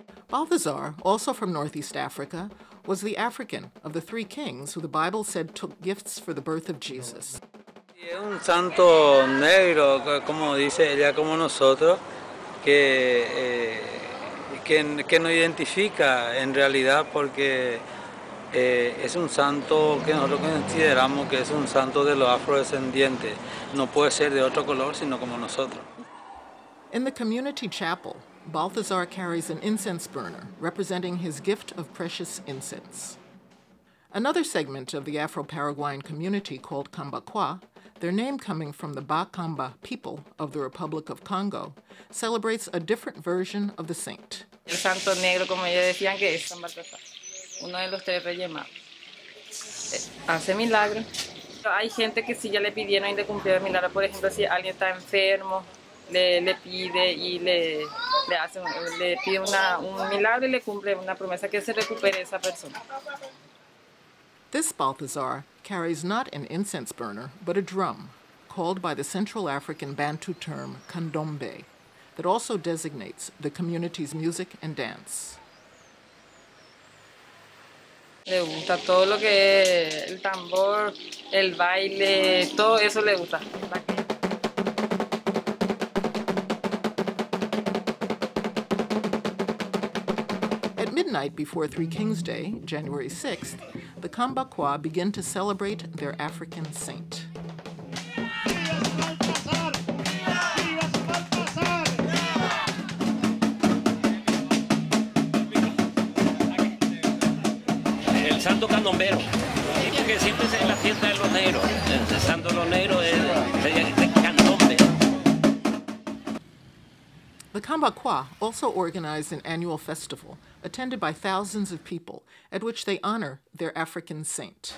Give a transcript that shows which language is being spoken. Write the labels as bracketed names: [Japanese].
[English] Balthazar, also from Northeast Africa, was the African of the three kings who the Bible said took gifts for the birth of Jesus. [Spanish] Es un santo negro, como dice ella, como nosotros, que nos identifica en realidad porque es un santo que nosotros consideramos que es un santo de los afrodescendientes. No puede ser de otro color sino como nosotros. [English] In the community chapel, Balthazar carries an incense burner, representing his gift of precious incense. Another segment of the Afro-Paraguayan community called Kambakwa, their name coming from the Bakamba people of the Republic of Congo, celebrates a different version of the saint. [Spanish] El santo negro, como ellos decían, que es San Balthazar, uno de los tres reyes magos. Hace milagros. Hay gente que si ya le pidieron y le cumplió el milagro, por ejemplo, si alguien está enfermo, le pide y le pide un milagro y le cumple una promesa que se recupere esa persona. [English] This Balthazar carries not an incense burner, but a drum, called by the Central African Bantu term kandombe, that also designates the community's music and dance. [Spanish] Le gusta todo lo que es el tambor, el baile, todo eso le gusta. [English] Night before Three Kings Day, January 6th, the Kambakwa begin to celebrate their African saint. [Spanish] El santo candombero, que siempre es la fiesta de los negros. El santo de los negros es el candombe. [English] The Kambakwa also organize an annual festival attended by thousands of people, at which they honor their African saint.